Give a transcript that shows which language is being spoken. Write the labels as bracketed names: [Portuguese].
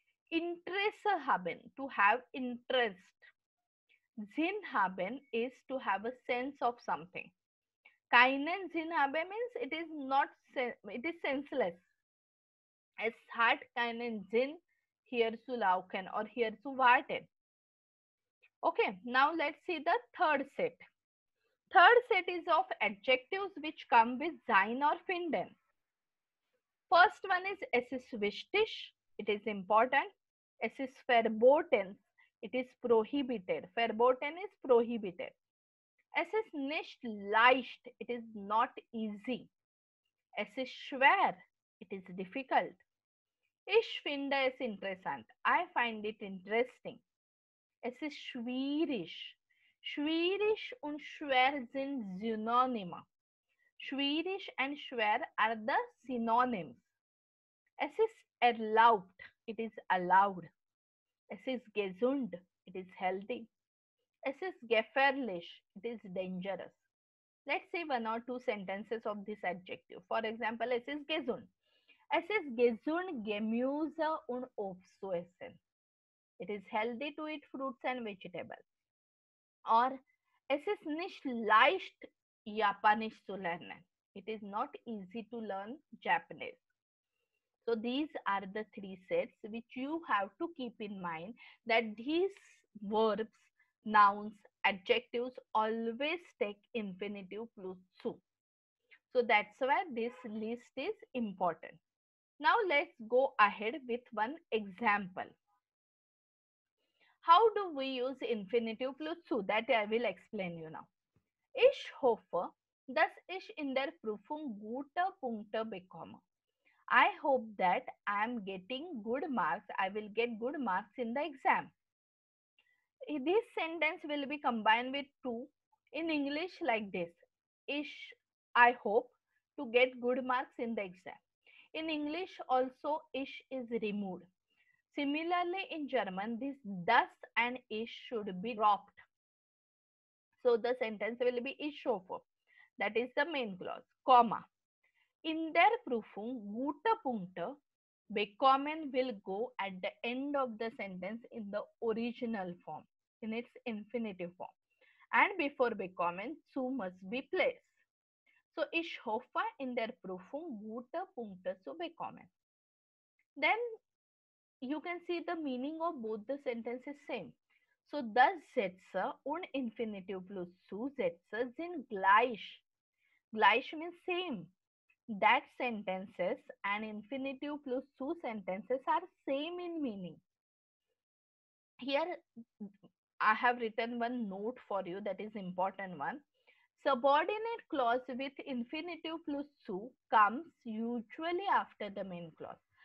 [German] Interesse haben, [English] to have interest. [German] Sinn haben [English] is to have a sense of something. [German] Keinen Sinn haben [English] means it is senseless. [German] Es hat keinen Sinn hier zu laufen or hier zu warten. [English] Okay, now let's see the third set. Third set is of adjectives which come with sein or finden. First one is [German] es ist wichtig, [English] it is important. [German] Es ist verboten, [English] it is prohibited. Verboten is prohibited. [German] Es ist nicht leicht, [English] it is not easy. [German] Es ist schwer, [English] it is difficult. [German] Ich finde es interessant, [English] I find it interesting. [German] Es ist schwierig. Schwierig und schwer sind Synonyme. [English] Schwierig and schwer are the synonyms. [German] Es ist erlaubt. [English] It is allowed. [German] Es ist gesund. [English] It is healthy. [German] Es ist gefährlich. [English] It is dangerous. Let's see one or two sentences of this adjective. For example, [German] es ist gesund. Es ist gesund, gemüse und aufzuessen. [English] It is healthy to eat fruits and vegetables. [German] Or, es ist nicht leicht, Japanisch zu lernen. [English] It is not easy to learn Japanese. So, these are the three sets which you have to keep in mind that these verbs, nouns, adjectives always take infinitive plus zu. So, that's why this list is important. Now, let's go ahead with one example. How do we use infinitive plus zu? That I will explain you now. [German] Ich hoffe, dass ich in der Prüfung gute Punkte bekomme. [English] I hope that I am getting good marks. I will get good marks in the exam. this sentence will be combined with two in English like this. Ish, I hope to get good marks in the exam. In English also, ish is removed. Similarly, in German, this das and ish should be dropped. So the sentence will be [German] ich hoffe. [English] That is the main clause, comma. [German] In der Prüfung, gute Punkte bekommen [English] will go at the end of the sentence in the original form, in its infinitive form. And before bekommen, zu must be placed. [German] So, ich hoffe in der Prüfung, gute Punkte zu bekommen. [English] Then, you can see the meaning of both the sentences same. [German] So, das setze und infinitive plus zu setze sind gleich. [English] Gleich means same. That sentences and infinitive plus zu sentences are same in meaning. Here, I have written one note for you that is important one. Subordinate clause with infinitive plus zu comes usually after the main clause.